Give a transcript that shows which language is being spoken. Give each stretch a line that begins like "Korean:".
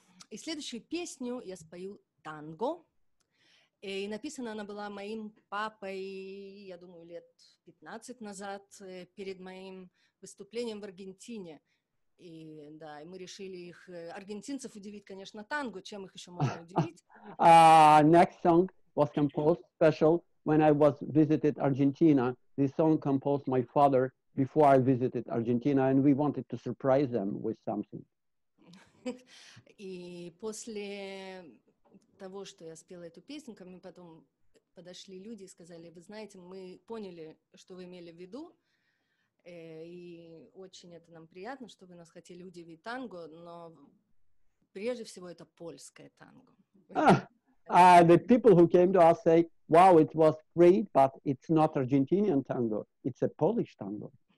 Russian: И следующую песню я спою танго. И написана она была моим папой, я думаю, лет 15 назад, перед моим выступлением в Аргентине. И да, и мы решили их, аргентинцев удивить, конечно, танго, чем их еще можно удивить.
English: Next song was composed special when I was visited Argentina. This song composed my father before I visited Argentina, and we wanted to surprise them with something.
Russian: И после того, что я спела эту песенку, мы потом подошли люди и сказали, вы знаете, мы поняли, что вы имели в виду. И очень это нам приятно, что вы нас хотели удивить танго, но прежде всего это польское танго.
English: The people who came to us say, wow, it was great, but it's not Argentinian tango, it's a Polish tango.